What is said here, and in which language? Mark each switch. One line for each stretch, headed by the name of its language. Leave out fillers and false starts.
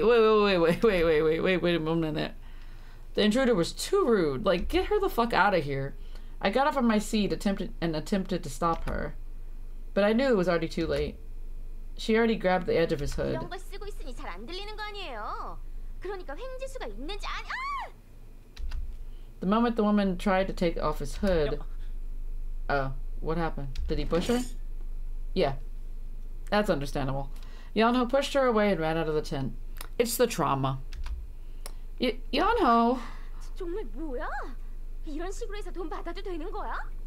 English: Wait a minute. The intruder was too rude. Like, get her the fuck out of here. I got up from my seat and attempted to stop her. But I knew it was already too late. She already grabbed the edge of his hood.
Korean: 이런 걸 쓰고 있으니 잘 안 들리는 거 아니에요? 그러니까 횡재수가 있는지 아니... 아!
English: The moment the woman tried to take off his hood... what happened? Did he push her? Yeah. That's understandable. Yeonho pushed her away and ran out of the tent. It's the trauma. Yeonho!
Korean: 정말 뭐야? 이런 식으로 해서 돈 받아도 되는 거야?